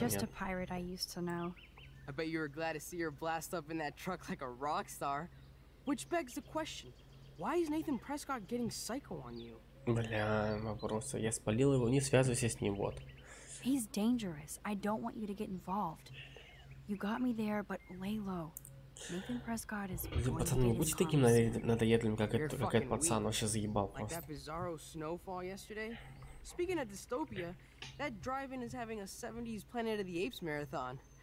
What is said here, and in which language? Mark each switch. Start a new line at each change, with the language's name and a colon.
English: нет. Just a pirate I used to know. I bet you were glad to see her blast up in that truck like a rock star. Which begs the question, why is Nathan Prescott getting psycho on you?
Russian: Бля, вопрос, я спалил его, не связывайся с ним, вот.
English: He's dangerous, I don't want you to get involved. You got me there, but lay low. Nathan Prescott is going to get
Russian: пацан, не будьте таким надоедливым, как этот пацан, он сейчас заебал просто.
English: Like that bizarro snowfall yesterday? Speaking of dystopia, that drive-in is having a 70s Planet of the Apes marathon.